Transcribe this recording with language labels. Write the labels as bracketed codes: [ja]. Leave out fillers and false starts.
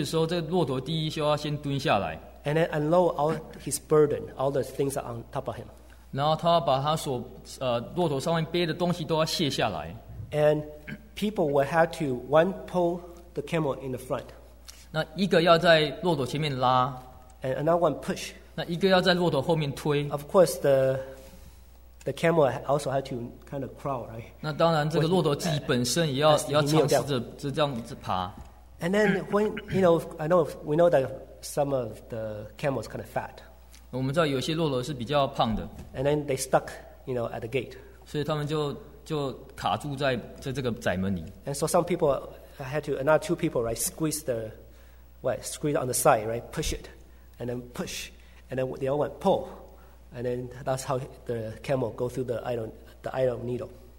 [zh] 所以这个窄门，当这个骆驼要进去的时候，这个骆驼第一就要先蹲下来。 [en] And then unload all his burden, all the things are on top of him. [zh] 然后他把他所骆驼上面背的东西都要卸下来。 [en] And people will have to one pull the camel in the front. [zh] 那一个要在骆驼前面拉, [en] and another one push. [zh] 那一个要在骆驼后面推, [en] of course, the camel also had to kind of crawl, right? [zh] 那当然这个骆驼自己本身也要尝试着这样子爬。 [en] And then when, you know, I know we know that some of the camels kind of fat. [zh] 我们知道有些骆驼是比较胖的。 [en] And then they stuck, you know, at the gate. [zh] 所以他们就卡住在这个窄门里。 [en] And so some people had to, another two people, right, squeeze the squeeze on the side, right? Push it, and then push, and then they all went pull, and then that's how the camel go through the eye of needle.